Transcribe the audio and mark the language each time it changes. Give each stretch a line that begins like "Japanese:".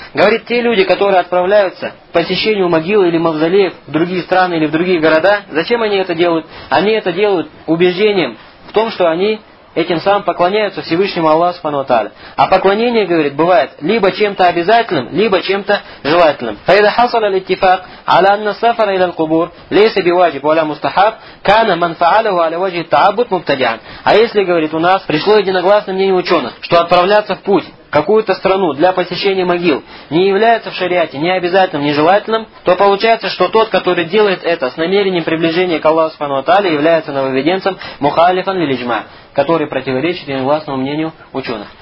Russian: Говорит, те люди, которые отправляются к посещению могил или мавзолеев в другие страны или в другие города, зачем они это делают? Они это делают убеждением в том, что они этим самым поклоняются Всевышнему Аллаху Субхану ва Тааля. А поклонение, говорит, бывает либо чем-то обязательным, либо чем-то желательным.
Arabic: فإذا حصل الاتفاق على أن السفر إلى القبور ليس بواجب ولا مستحب كان من فعله على وجه التعبد مبتدعا.
Russian: А если, говорит, у нас пришло единогласное мнение ученых, что отправляться в путь какую-то страну для посещения могил не является в шариате ни обязательным, ни желательным, то получается, что тот, который делает это с намерением приближения к Аллаху Субхану ва Тааля, является нововведенцем
Arabic: мухалифан лиль-иджма,
Russian: который противоречит единогласному мнению ученых.